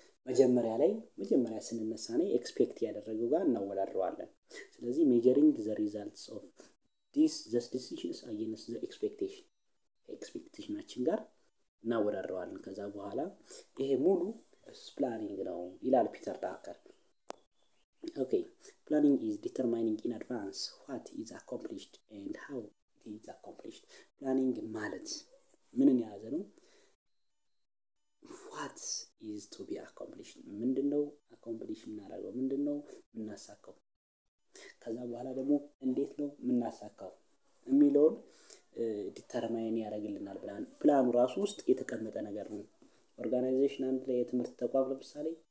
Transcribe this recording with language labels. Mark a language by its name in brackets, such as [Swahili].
[Amharic] መጀመሪያ ላይ መጀመሪያ ስንነሳ ነው ኤክስፔክት ያደረገው ጋር እናወዳድረዋለን። ስለዚህ [English] ሜጀሪንግ ዘ ሪዛልትስ ኦፍ ዲስ ዘስ ዲሲዥንስ አጌንስት ዘ ኤክስፔክቴሽን [Amharic] ኤክስፔክቴሽናችን ጋር እናወዳድረዋለን። ከዛ በኋላ ይሄ ሙሉ ፕላኒንግ ነው ይላል ፒተር ታከር። ኦኬ [English] ፕላኒንግ ኢዝ ዲተርማይኒንግ ኢን አድቫንስ ዋት ኢዝ አኮምፕሊሽድ [Amharic] ኤንድ ሃው ኢዝ አኮምፕሊሽድ። ፕላኒንግ ማለት ምንን ያዘ ነው? [English] What is to be accomplished? [Amharic] ምንድነው accomplish እናደርገው? ምንድነው እናሳካው? ከዛ በኋላ ደግሞ እንዴት ነው እናሳካው የሚለውን ዲተርማይን ያደርግልናል ፕላን። ፕላኑ ራሱ ውስጥ የተቀመጠ ነገር ነው። ኦርጋናይዜሽን አንድ ላይ የትምህርት ተቋም ለምሳሌ